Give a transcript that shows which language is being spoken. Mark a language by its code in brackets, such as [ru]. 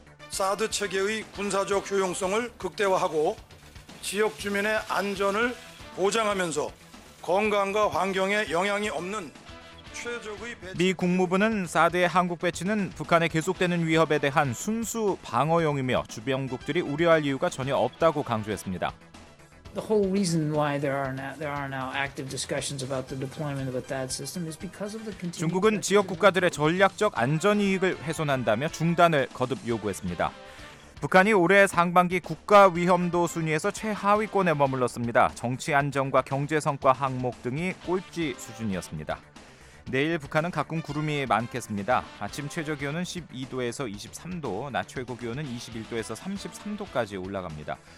[ko] 사드 체계의 군사적 효용성을 극대화하고 지역 주민의 안전을 보장하면서 건강과 환경에 영향이 없는 최적의 배치. 미 국무부는 사드의 한국 배치는 북한의 계속되는 위협에 대한 순수 방어용이며 주변국들이 우려할 이유가 전혀 없다고 강조했습니다. [en] The whole reason why there are now active discussions about the deployment of a THAAD system is because of the continued. [ko] 중국은 지역 국가들의 전략적 안전 이익을 훼손한다며 중단을 거듭 요구했습니다. 북한이 올해 상반기 국가 위험도 순위에서 최하위권에 머물렀습니다. 정치 안정과 경제 성과 항목 등이 꼴찌 수준이었습니다. 내일 북한은 가끔 구름이 많겠습니다. 아침 최저 기온은 12도에서 23도, 낮 최고 기온은 21도에서 33도까지 올라갑니다.